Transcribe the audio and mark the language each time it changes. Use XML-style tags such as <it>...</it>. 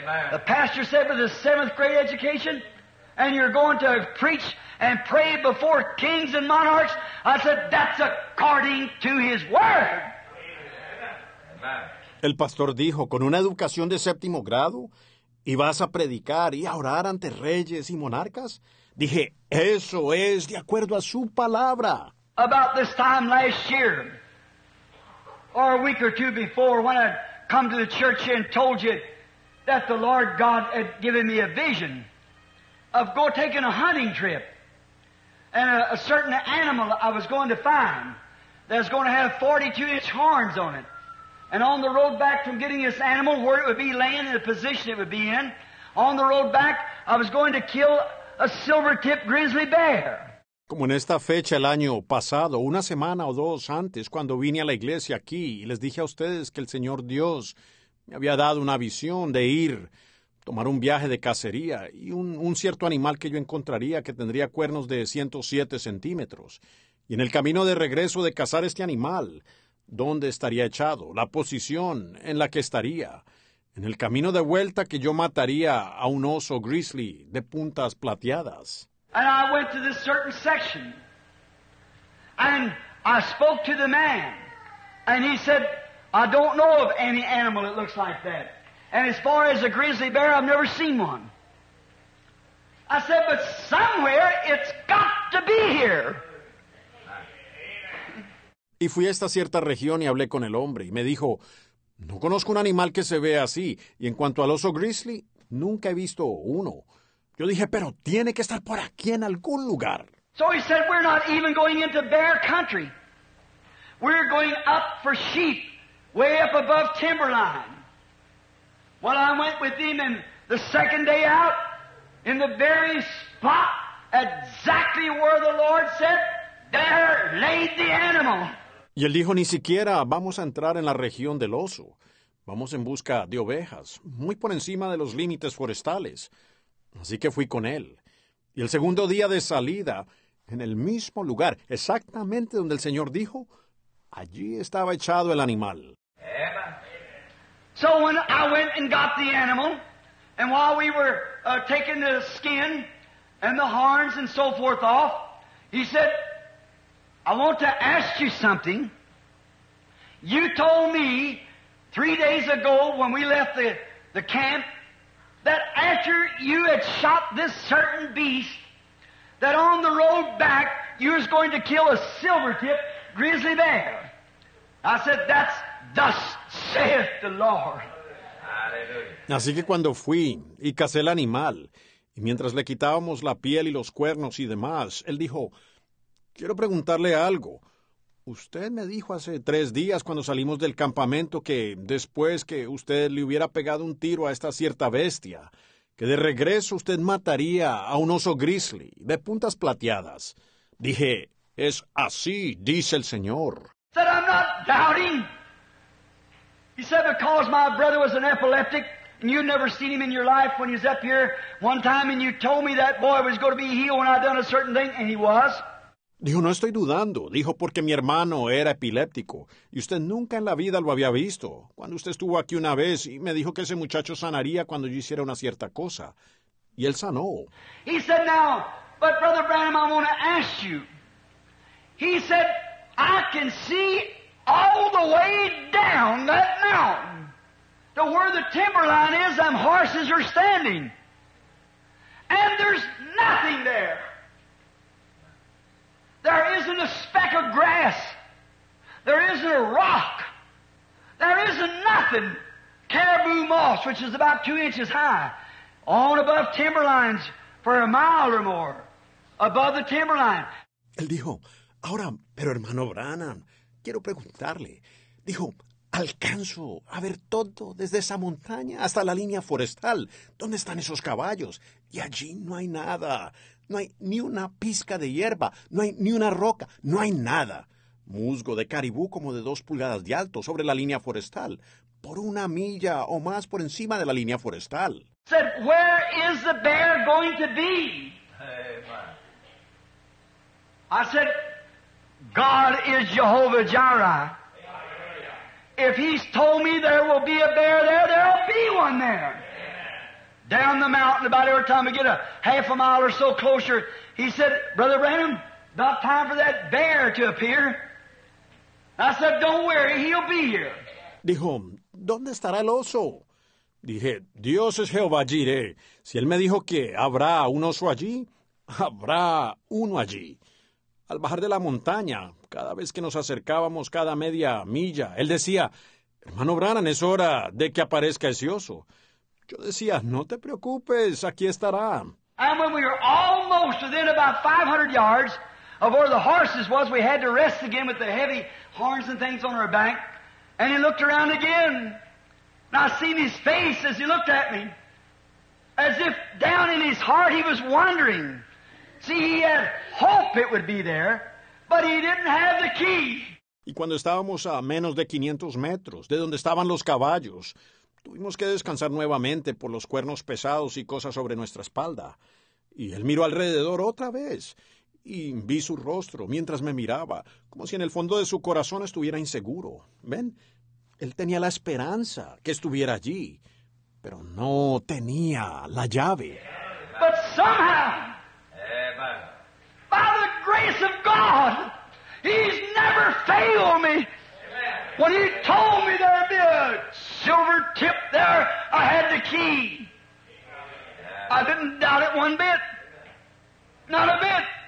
<en>The pastor said, with a seventh grade education, and you're going to preach and pray before kings and monarchs. I said, that's according to His Word.</en> <es>El pastor dijo, con una educación de séptimo grado, ¿y vas a predicar y a orar ante reyes y monarcas? Dije, eso es de acuerdo a su palabra.</es> <en>About this time last year, or a week or two before, when I'd come to the church and told you that the Lord God had given me a vision of go taking a hunting trip, and a certain animal I was going to find that's going to have 42-inch horns on it. And on the road back from getting this animal, where it would be laying in the position it would be in, on the road back, I was going to kill a silver-tipped grizzly bear.</en> <es>Como en esta fecha el año pasado, una semana o dos antes, cuando vine a la iglesia aquí y les dije a ustedes que el Señor Dios me había dado una visión de ir, tomar un viaje de cacería y un cierto animal que yo encontraría que tendría cuernos de 107 centímetros. Y en el camino de regreso de cazar este animal, ¿dónde estaría echado? La posición en la que estaría. En el camino de vuelta que yo mataría a un oso grizzly de puntas plateadas.</es> <en>And I went to this certain section, and I spoke to the man, and he said, I don't know of any animal that looks like that. And as far as a grizzly bear, I've never seen one. I said, but somewhere it's got to be here.</en> <es>Y fui a esta cierta región y hablé con el hombre, y me dijo, no conozco un animal que se vea así, y en cuanto al oso grizzly, nunca he visto uno. Yo dije, pero tiene que estar por aquí en algún lugar.</es> <en>So he said, we're not even going into bear country. We're going up for sheep, way up above timberline. Well, I went with him, and the second day out, in the very spot, exactly where the Lord said, there laid the animal.</en> <es>Y él dijo, ni siquiera vamos a entrar en la región del oso. Vamos en busca de ovejas, muy por encima de los límites forestales. Así que fui con él. Y el segundo día de salida, en el mismo lugar, exactamente donde el Señor dijo, allí estaba echado el animal.</es> <en>So when I went and got the animal, and while we were taking the skin and the horns and so forth off, he said, I want to ask you something. You told me 3 days ago when we left the camp, that after you had shot this certain beast, that on the road back, you was going to kill a silver-tipped grizzly bear. I said, that's thus saith the Lord. Hallelujah.</en> <es>Así que cuando fui y cacé el animal, y mientras le quitábamos la piel y los cuernos y demás, él dijo, quiero preguntarle algo. Usted me dijo hace 3 días cuando salimos del campamento que después que usted le hubiera pegado un tiro a esta cierta bestia, que de regreso usted mataría a un oso grizzly de puntas plateadas. Dije, es así, dice el Señor.</es> <en>Said, I'm not doubting. He said, because my brother was an epileptic and you'd never seen him in your life when he was up here one time and you told me that boy was going to be healed when I'd done a certain thing, and he was.</en> <es>Dijo, no estoy dudando. Dijo, porque mi hermano era epiléptico. Y usted nunca en la vida lo había visto. Cuando usted estuvo aquí una vez, y me dijo que ese muchacho sanaría cuando yo hiciera una cierta cosa. Y él sanó.</es> <en>He said, now, but Brother Branham, I want to ask you. He said, I can see all the way down that mountain to where the timberline is, them horses are standing. And there's nothing there. There isn't a speck of grass. There isn't a rock. There isn't nothing. Caribou moss, which is about 2 inches high, on above timberlines for a mile or more, above the timberline.</en> <es>Él dijo, ahora, pero hermano Branham, quiero preguntarle. Dijo, alcanzo a ver todo desde esa montaña hasta la línea forestal. ¿Dónde están esos caballos? Y allí no hay nada. No hay ni una pizca de hierba, no hay ni una roca, no hay nada. Musgo de caribú como de 2 pulgadas de alto sobre la línea forestal, por una milla o más por encima de la línea forestal.</es> <en>Said, where is the bear going to be? Amen. I said, God is Jehovah Jireh. If he's told me there will be a bear there, there'll be one there. Amen. down the mountain. About every time we get a half a mile or so closer, he said, "Brother Branham, about time for that bear to appear." I said, "Don't worry, he'll be here."</en> <es>Dijo, "¿Dónde estará el oso?" Dije, "Dios es Jehová Jireh. Si él me dijo que habrá un oso allí, habrá uno allí." Al bajar de la montaña, cada vez que nos acercábamos cada media milla, él decía, "Hermano Branham, es hora de que aparezca ese oso." Yo decía, "No te preocupes, aquí estará."</es> <en>And when we were almost within about 500 yards of where the horses was, we had to rest again with the heavy horns and things on our back. And he looked around again. And I seen his face as he looked at me, as if down in his heart he was wondering. See, he had hope it would be there, but he didn't have the key.</en> <es>Y cuando estábamos a menos de 500 metros de donde estaban los caballos, tuvimos que descansar nuevamente por los cuernos pesados y cosas sobre nuestra espalda. Y él miró alrededor otra vez y vi su rostro mientras me miraba, como si en el fondo de su corazón estuviera inseguro. ¿Ven? Él tenía la esperanza que estuviera allí, pero no tenía la llave.</es> <en>But somehow, by the grace of God, he's never failed me. When he told me there'd be a silver tip there, I had the key. I didn't doubt it one bit. Not a bit.</en>